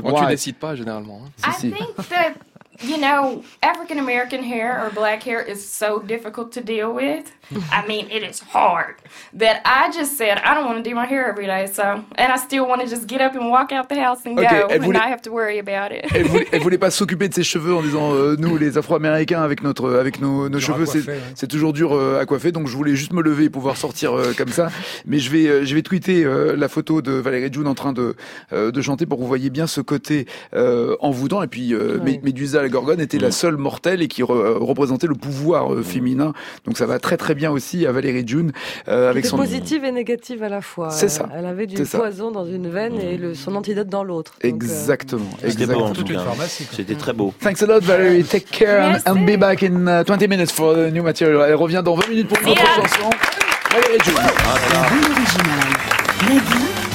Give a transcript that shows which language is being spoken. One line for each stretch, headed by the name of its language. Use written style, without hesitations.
French: Moi, tu décides pas généralement. Hein.
English: I think that, you know, African American hair or black hair is so difficult to deal with. I mean, it is hard. That I just said I don't want to do my hair every day. So, and I still want to just get up and walk out the house and okay, go, and not have to worry about it.
French: Elle voulait pas s'occuper de ses cheveux en disant nous, les Afro-Américains, avec nos cheveux, c'est toujours dur à coiffer. Donc, je voulais juste me lever et pouvoir sortir comme ça. Mais je vais tweeter la photo de Valérie June en train de chanter pour que vous voyez bien ce côté envoûtant. Et puis, Médusa la Gorgone était la seule mortelle et qui représentait le pouvoir féminin. Donc, ça va très très bien aussi à Valérie June. Avec son positive et négative à la fois. C'est ça. Elle avait du poison dans une veine et son antidote dans l'autre. Donc, exactement. C'était très beau.
English: Thanks a lot, Valérie. Take care and be back in 20 minutes for the new material.
French: Elle revient dans 20 minutes pour une autre chanson. Valérie June.